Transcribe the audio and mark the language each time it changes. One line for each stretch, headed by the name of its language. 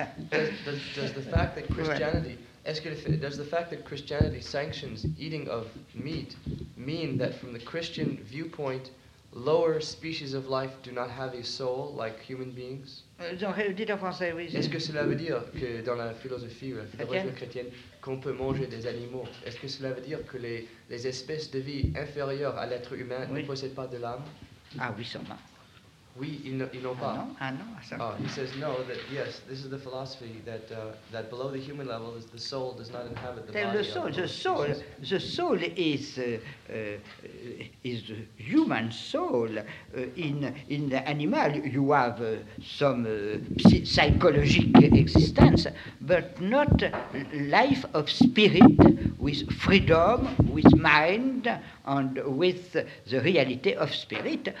English: does the fact that Christianity sanctions eating of meat mean that from the Christian viewpoint lower species of life do not have a soul like human beings?
French: Dites en français, oui. Est-ce que cela veut dire que dans la philosophie ou la religion chrétienne qu'on peut manger des animaux? Est-ce que cela veut dire que les espèces de vie inférieures à l'être humain ne possèdent pas de l'âme? Ah oui, sûrement. Oui, ils n'ont pas. Ah non.
English: He says no. That yes, this is the philosophy that that below the human level is the soul does not inhabit the body. The soul is the human soul. In the animal, you have some psychologic existence, but not life of spirit with freedom, with mind, and with the reality of spirit.